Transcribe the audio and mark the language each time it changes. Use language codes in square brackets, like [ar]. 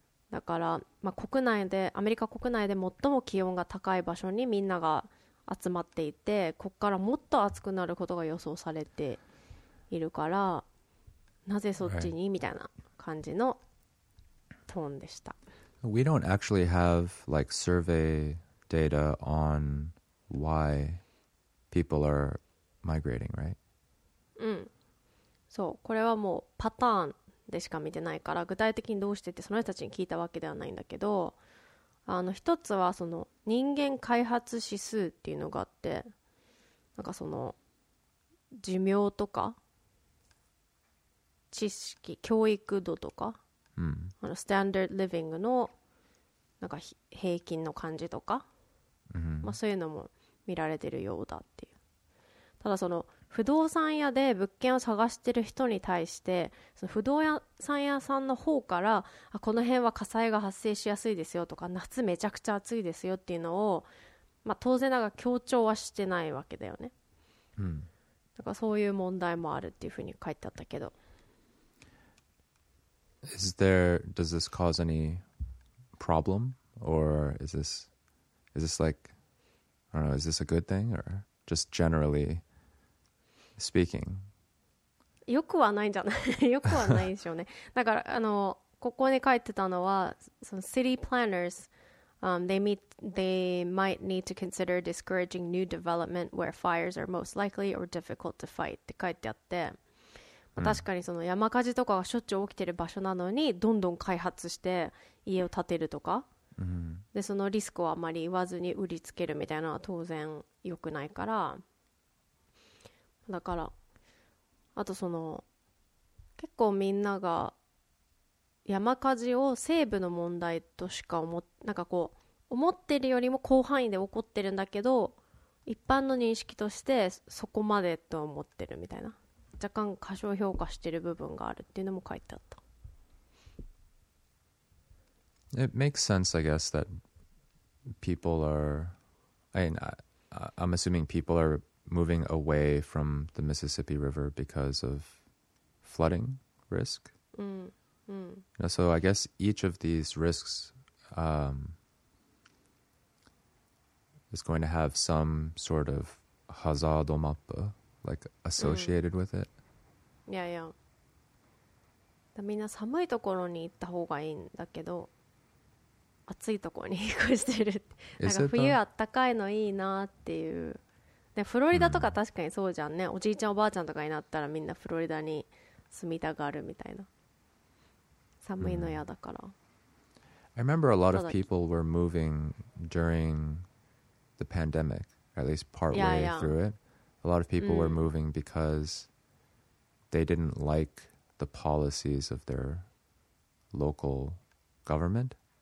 [ja] だから、まあ、国内でアメリカ国内で最も気温が高い場所にみんなが集まっていて、ここからもっと暑くなることが予想されているから、なぜそっちに、right. みたいな感じのトーンでした。 [en] We don't actually have like survey data on why people are migrating, right? うん。 [ja] そう、これはもうパターンでしか見てないから、具体的にどうしてってその人たちに聞いたわけではないんだけど、あの一つはその人間開発指数っていうのがあって、なんかその寿命とか知識、教育度とか、あのスタンダードリビングのなんか平均の感じとか、まあ、そういうのも見られてるようだっていう。ただその不動産屋で物件を探してる人に対して、その不動産屋さんの方から、あ、この辺は火災が発生しやすいですよとか、夏めちゃくちゃ暑いですよっていうのを、まあ、当然ながら強調はしてないわけだよね。だからそういう問題もあるっていうふうに書いてあったけど、 [en] Is there, does this cause any problem, or is this like, I don't know, is this a good thing, or just generally speaking? [ja] よくはないんじゃない、よくはないでしょうね。だから、あの、ここに書いてたのは、その [en] city planners, they might need to consider discouraging new development where fires are most likely or difficult to fight [ja] って書いてあって、確かにその山火事とかがしょっちゅう起きてる場所なのにどんどん開発して家を建てるとか、うん、でそのリスクをあまり言わずに売りつけるみたいなのは当然良くないから、だからあとその結構みんなが山火事を西部の問題としか思っ、なんかこう思ってるよりも広範囲で起こってるんだけど一般の認識としてそこまでと思ってるみたいな、若干過小評価してる部分があるっていうのも書いてあった。 [en] It makes sense, I guess, that people are, I mean, I'm assuming people are moving away from the Mississippi River because of flooding risk. So I guess each of these risks is going to have some sort of hazard map, like associated with it. Yeah, yeah. [ja] みんな寒いところに行った方がいいんだけど、暑いところに引っ越してる。なんか冬あったかいのいいなっていう。でフロリダとか確かにそうじゃんね、うん、おじいちゃんおばあちゃんとかになったらみんなフロリダに住みたがるみたいな、寒いの嫌だから、うん、 [en] I remember a lot of people were moving during the pandemic, at least partway yeah, yeah. through it. A lot of people、うん、were moving because they didn't like the policies of their local government.